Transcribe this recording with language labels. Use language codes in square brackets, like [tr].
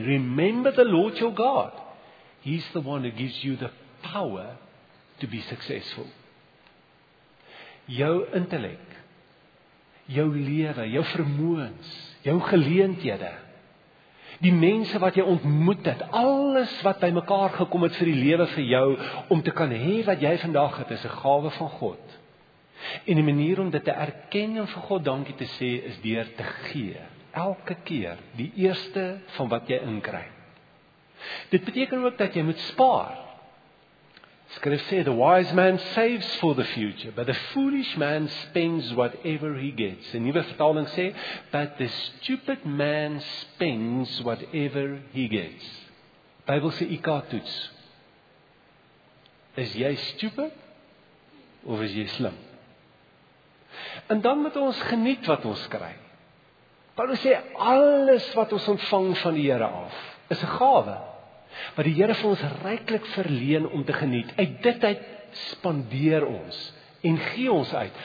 [en] Remember the Lord your God. He's the one who gives you the power to be successful. [af] Jou intellek, jou lewe, jou vermoëns, jou geleenthede, die mense wat jy ontmoet het, alles wat by mekaar gekom het vir die lewe vir jou, om te kan hê wat jy vandag het, is 'n gawe van God. En die manier om dit te erken en vir God dankie te sê, is deur te gee. Elke keer, die eerste van wat jy inkry. Dit beteken ook dat jy moet spaar. Skrif sê, [en] the wise man saves for the future, but the foolish man spends whatever he gets. [af] Die nuwe vertaling sê, [en] but the stupid man spends whatever he gets. [af] Bybel sê, IQ toets. Is jy stupid, of is jy slim? En dan moet ons geniet wat ons kry. Paulus sê, alles wat ons ontvang van die Here af, is 'n gawe. Wat die Here vir ons ryklik verleen om te geniet. Uit dit uit spandeer ons en gee ons uit.